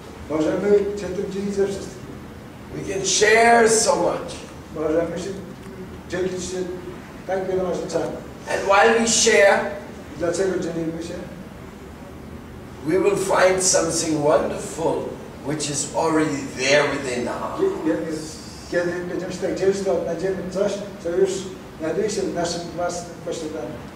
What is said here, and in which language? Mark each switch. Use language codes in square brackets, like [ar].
[pl] Możemy się tym dzielić ze wszystkim. [en] We can share so much. [pl] Możemy się dzielić się tak wieloma rzeczami. [en] And while we share, [pl] dlaczego dzielimy się? [en] We will find something wonderful which is already there within us. [pl] Kiedy będziemy się tak dzielić, to odnajdziemy coś, co już znajduje się w naszym własnym posiadaniu.